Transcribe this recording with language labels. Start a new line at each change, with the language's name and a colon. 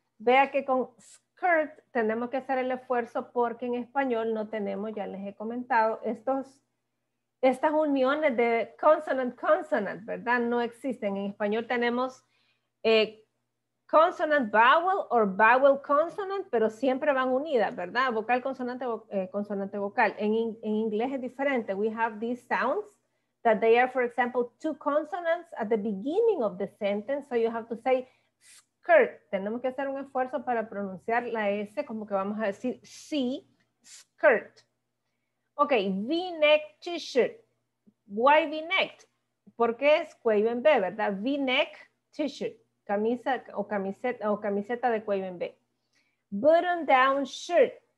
Spanish: Vea que con skirt tenemos que hacer el esfuerzo porque en español no tenemos, ya les he comentado, estas uniones de consonant, ¿verdad? No existen. En español tenemos
English: consonant vowel or vowel consonant,
Spanish: pero siempre van unidas, ¿verdad? Vocal, consonante, consonante, vocal. En inglés es diferente.
English: We have these sounds that they are, for example, two consonants at the beginning of the sentence. So you have to say skirt.
Spanish: Tenemos que hacer un esfuerzo para pronunciar la S, como que vamos a decir she, skirt.
English: Ok, V-neck t-shirt. Why V-neck?
Spanish: Porque es cuello en B, ¿verdad? V-neck t-shirt. Camisa o camiseta de cuello en B.
English: Button down shirt.